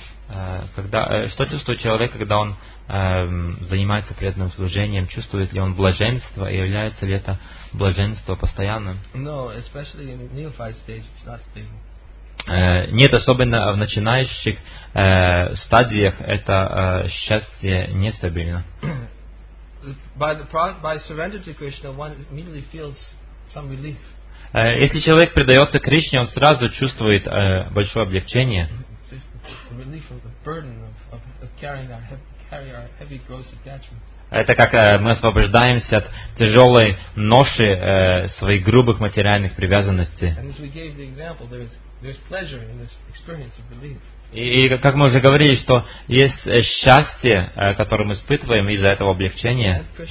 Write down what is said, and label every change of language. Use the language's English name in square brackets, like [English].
[Russian] Что чувствует человек, когда он занимается преданным служением? Чувствует ли он блаженство? И является ли это блаженство постоянным? [English] No, especially in the neophyte stage, it's not stable. [Russian] Нет, особенно в начинающих стадиях это счастье нестабильно. [English] By surrender to Krishna, one immediately feels some relief. [Russian] Если человек предается Кришне, он сразу чувствует большое облегчение. [English] Relief of the burden of carrying our heavy gross attachments. [Russian] Это как мы освобождаемся от тяжелой ноши своих грубых материальных привязанностей. И как мы уже говорили, что есть счастье, которое мы испытываем из-за этого облегчения.